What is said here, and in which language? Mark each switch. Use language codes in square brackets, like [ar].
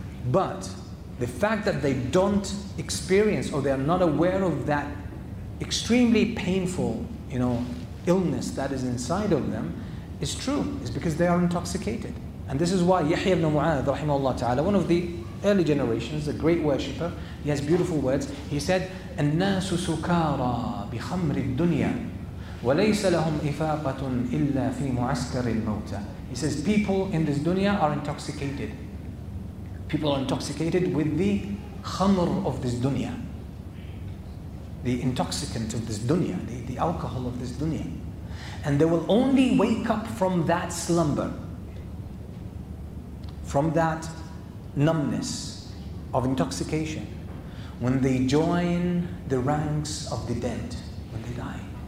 [en] But the fact that they don't experience or they are not aware of that extremely painful, you know, illness that is inside of them is true. It's because they are intoxicated. And this is why Yahya ibn Mu'adh, rahimahullah ta'ala, one of the early generations, a great worshipper, he has beautiful words. He said, [ar] النَّاسُ سُكَارَى بِخَمْرِ الدُّنْيَا وَلَيْسَ لَهُمْ إِفَاقَةٌ إِلَّا فِي مُعَسْكَرِ الْمَوْتَى. [en] He says, people in this dunya are intoxicated. People are intoxicated with the khamr of this dunya. The intoxicant of this dunya, the alcohol of this dunya. And they will only wake up from that slumber, from that numbness of intoxication, when they join the ranks of the dead, when they die.